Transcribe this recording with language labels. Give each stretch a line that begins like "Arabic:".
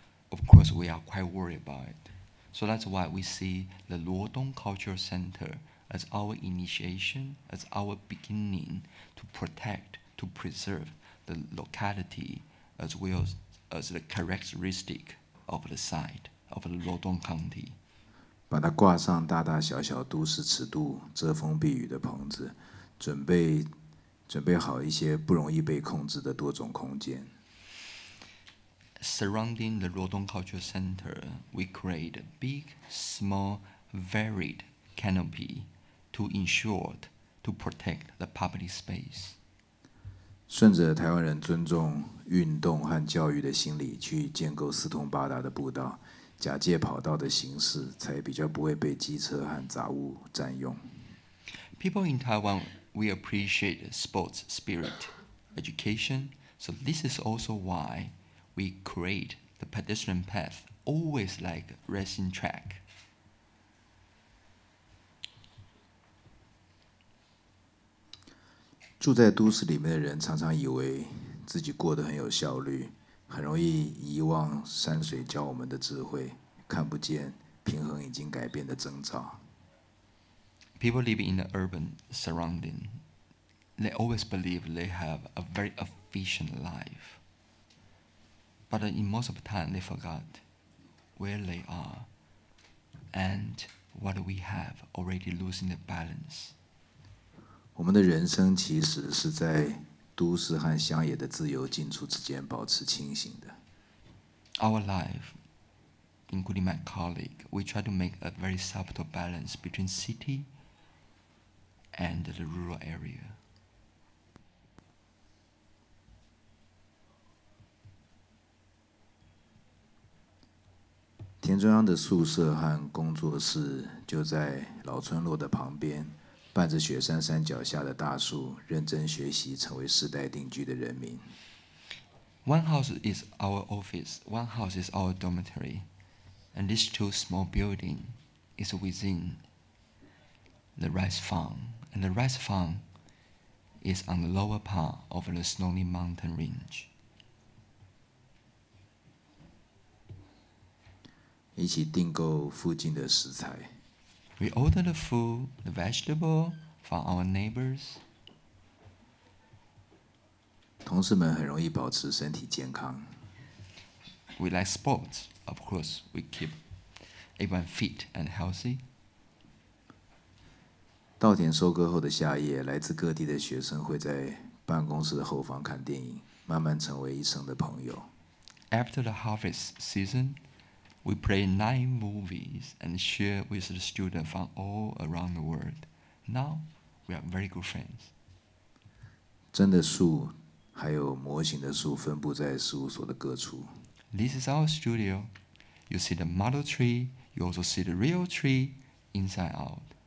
English: Of course, we are quite worried about it. So that's why we see the Luodong Cultural Center as our initiation, as our beginning to protect, to preserve the locality as well as the characteristic of the site of the Luodong County.
Chinese: 把它挂上大大小小都市尺度遮风避雨的棚子，准备好一些不容易被控制的多种空间。
English: Surrounding the Luodong Cultural Center, we create a big, small, varied canopy to ensure to protect the public space.
Chinese: 顺着台湾人尊重运动和教育的心理，去建构四通八达的步道。假借跑道的形式，才比较不会被机车和杂物占用。
English: People in Taiwan, we appreciate sports spirit, education. So this is also why we create the pedestrian path, always like racing track.
Chinese: 住在都市里面的人常常以为自己过得很有效率。很容易遗忘山水教我们的智慧，看不见平衡已经改变的征兆。
English: People living in the urban surrounding, they always believe they have a very efficient life. But in most of the time, they forgot where they are and what we have already losing the balance.
Chinese: 我们的人生其实是在都市和乡野的自由进出之间保持清醒的。
English: Our life, including my colleague, we try to make a very subtle balance between city and the rural area.
Chinese: 田中央的宿舍和工作室就在老村落的旁边。伴着雪山山脚下的大树，认真学习，成为世代定居的人民。
English: One house is our office, one house is our dormitory, and these two small buildings is within the rice farm. And the rice farm is on the lower part of the snowy mountain range.
Chinese: 一起订购附近的食材。
English: We order the food, the vegetable from our neighbors.
Chinese: 同事们很容易保持身体健康。
English: We like sports, of course. We keep everyone fit and healthy.
Chinese: 稻田收割后的夏夜，来自各地的学生会在办公室的后方看电影，慢慢成为一生的朋友。
English: After the harvest season. We play 9 movies and share with the students from all around the world. Now, we are very good friends.
Chinese: 真的树还有模型的树分布在事务所的各处。
English: This is our studio. You see the model tree, you also see the real tree inside out.